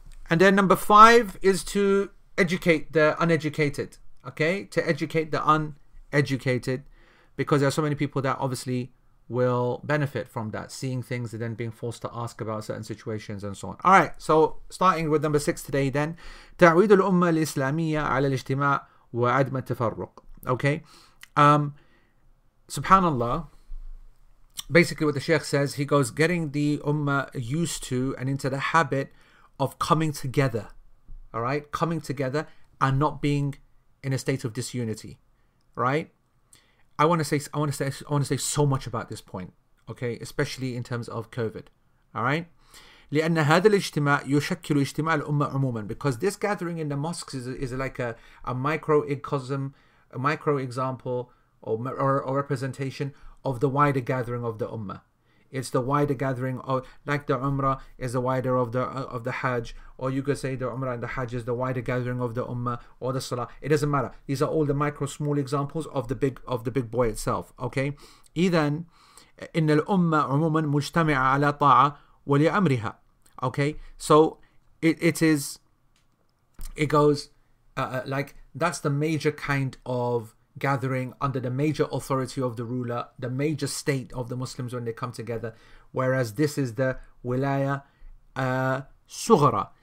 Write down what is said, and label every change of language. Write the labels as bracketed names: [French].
[English] And then number five is to educate the uneducated, okay, to educate the uneducated, because there are so many people that obviously will benefit from that, seeing things and then being forced to ask about certain situations and so on. All right, so starting with number six today then, [Arabic] تعويد الأمة الإسلامية على الاجتماع وعدم التفرق. [English] Okay. Subhanallah, basically what the Sheikh says, he goes, getting the ummah used to and into the habit of coming together, all right, coming together and not being in a state of disunity, right? I want to say so much about this point, okay, especially in terms of COVID, all right? [Arabic] لأن هذا الاجتماع يشكل اجتماع الأمة عموما, [English] because this gathering in the mosques is like a microcosm, a micro example, or representation of the wider gathering of the ummah. It's the wider gathering of, like, the umrah is the wider of the hajj, or you could say the umrah and the hajj is the wider gathering of the ummah, or the salah. It doesn't matter. These are all the micro small examples of the big boy itself. [Arabic] Okay, إذن إن الأمة عموما مجتمعة على طاعة ولي أمرها. [English] Okay, so it goes like that's the major kind of gathering under the major authority of the ruler, the major state of the Muslims when they come together, whereas this is the wilaya sughra.